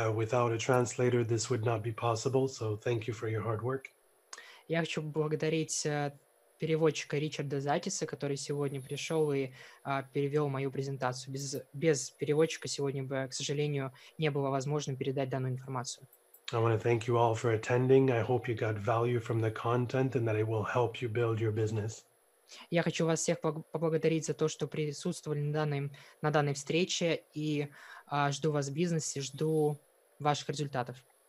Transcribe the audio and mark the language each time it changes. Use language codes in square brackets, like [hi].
[en] Without a translator, this would not be possible, so thank you for your hard work. [ru] Я хочу поблагодарить переводчика Ричарда Закиса, который сегодня пришел и перевел мою презентацию. Без переводчика сегодня бы, к сожалению, не было возможно передать данную информацию. [en] I want to thank you all for attending. I hope you got value from the content and that it will help you build your business. [ru] Я хочу вас всех поблагодарить за то, что присутствовали на данной встрече, и жду вас в бизнесе, жду ваших результатов.